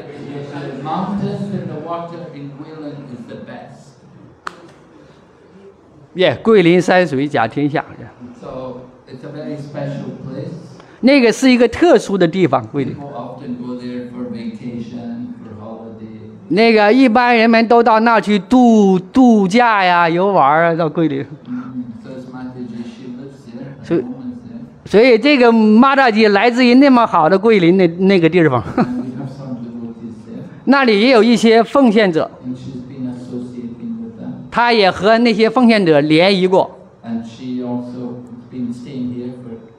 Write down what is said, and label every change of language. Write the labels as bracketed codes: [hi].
[en] The mountains and the water in 桂林 is the best. [zh] Yeah, 桂林山水甲天下。 [en] So it's a very special place. [zh] 那个是一个特殊的地方，桂林。 [en] People often go there for vacation, for holiday. [zh] 那个一般人们都到那去度假呀，游玩啊，到桂林。 [en] So Mataji, she lives there. [zh] 所以这个Mataji来自于那么好的桂林那个地方。 [en] And we have some devotees there. [zh] 那里也有一些奉献者。 [en] And she's been associating with them. [zh] 她也和那些奉献者联谊过。 [en] And she also been staying here for.